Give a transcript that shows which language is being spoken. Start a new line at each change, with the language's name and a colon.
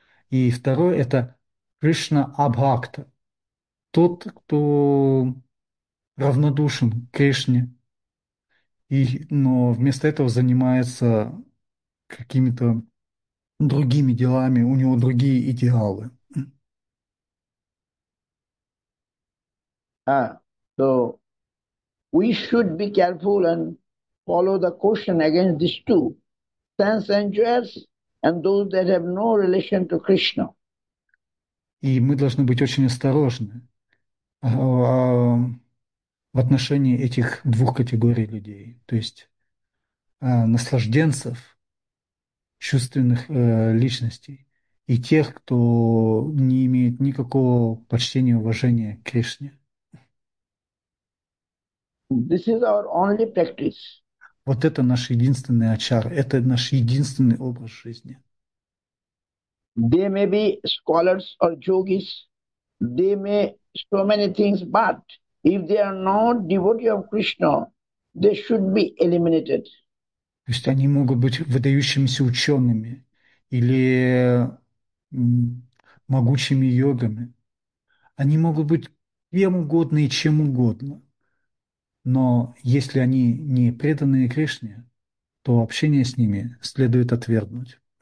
Russian: И второй – это Кришна Абхакта, тот, кто равнодушен Кришне, и, но вместо этого занимается какими-то другими делами, у него другие идеалы.
English: So we should be careful and follow the caution against these two, sense enjoyers and those that have no relation to Krishna.
Russian: И мы должны быть очень осторожны в отношении этих двух категорий людей, то есть наслажденцев, чувственных личностей и тех, кто не имеет никакого почтения и уважения к Кришне.
English: This is our only practice.
Russian: Вот это наш единственный ачар, это наш единственный образ жизни.
English: They may be scholars or yogis, they may so many things, but if they are not devotees of Krishna, they should be eliminated.
Russian: То есть они могут быть выдающимися учеными или могучими йогами. Они могут быть кем угодно и чем угодно. Но если они не преданные Кришне, то общение с ними следует отвергнуть.